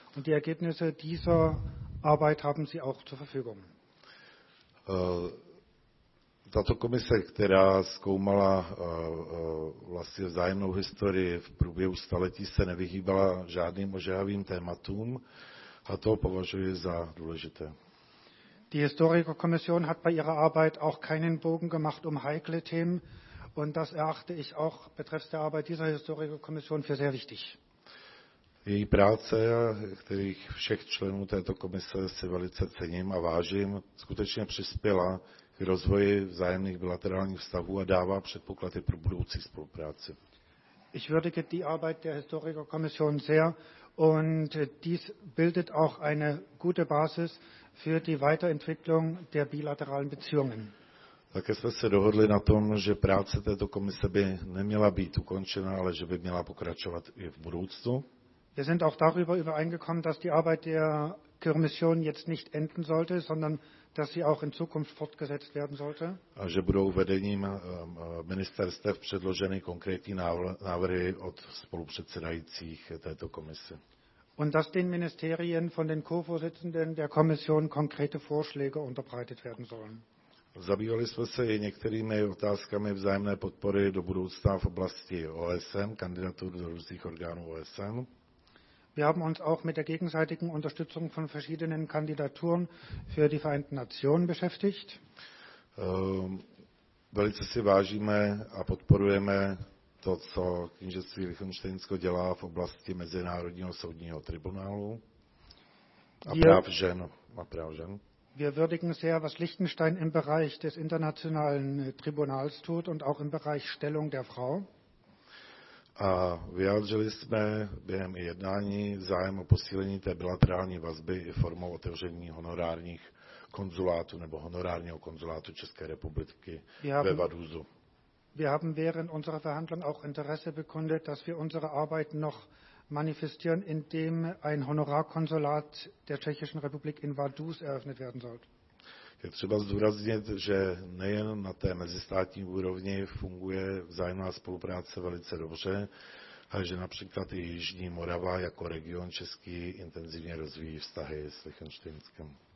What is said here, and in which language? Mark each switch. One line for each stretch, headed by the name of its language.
German: Und die Ergebnisse dieser Arbeit haben Sie auch zur Verfügung.
Czech: Tato komise, která zkoumala vlastně vzájemnou historii v průběhu staletí, se nevyhýbala žádným ožehavým tématům a to považuji za důležité.
German: Die Historikerkommission hat bei ihrer Arbeit auch keinen Bogen gemacht um heikle Themen. Und das erachte ich auch betreffs der Arbeit dieser Historikerkommission für sehr wichtig.
Czech: Její práce, kterých všech členů této komise si velice cením a vážím, skutečně přispěla k rozvoji vzájemných bilaterálních vztahů a dává předpoklady pro budoucí spolupráci.
German: Ich würdige die Arbeit der Historikerkommission sehr und dies bildet auch eine gute Basis für die Weiterentwicklung der bilateralen Beziehungen.
Czech: Také jsme se dohodli na tom, že práce této komise by neměla být ukončena, ale že by měla pokračovat i v budoucnu.
German: Wir sind auch darüber übereingekommen, dass die Arbeit der Kirmission jetzt nicht enden sollte, sondern dass sie auch in Zukunft fortgesetzt werden sollte.
Czech: A že budou vedením ministerstev předloženy konkrétní návrhy od spolupředsedajících této komise.
German: Und dass den Ministerien von den Co-Vorsitzenden der Kommission konkrete Vorschläge unterbreitet werden sollen.
Czech: Zabývali jsme se i některými otázkami vzájemné podpory do budoucna v oblasti OSN, kandidatur do různých orgánů OSN.
German: Wir haben uns auch mit der gegenseitigen Unterstützung von verschiedenen Kandidaturen für die Vereinten Nationen beschäftigt.
Czech: Velice si vážíme a podporujeme to, co Knížectví Lichtensteinsko dělá v oblasti Mezinárodního soudního tribunálu a práv žen.
German: Wir würdigen sehr, was Liechtenstein im Bereich des internationalen Tribunals tut und auch im Bereich Stellung der Frau.
Czech: A vyjádřili jsme během jednání zájem o posílení té bilaterální vazby i formou otevření honorárních konzulátů nebo honorárního konzulátu České republiky ve Vaduzu.
German: Wir haben während unserer Verhandlung auch Interesse bekundet, dass wir unsere Arbeit noch manifestieren, indem ein Honorarkonsulat der Tschechischen Republik in Vaduz eröffnet werden soll.
Czech: Je třeba zdůraznit, že nejen na té mezistátní úrovni funguje vzájemná spolupráce velice dobře, ale že například i Jižní Morava jako region český intenzivně rozvíjí vztahy s Lichtensteinskem.